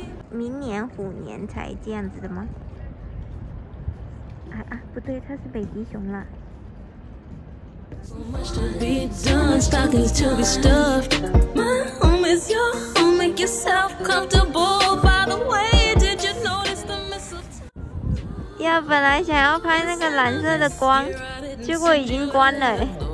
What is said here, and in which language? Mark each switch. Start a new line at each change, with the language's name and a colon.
Chinese: 明年虎年才这样子的吗？啊，不对，它是北极熊了。
English: So much to be done, stockings to be stuffed. My home is your home, make yourself comfortable. By the way, did you notice the mistletoe?
Chinese: 要本来想要拍那个蓝色的光，结果已经关了哎。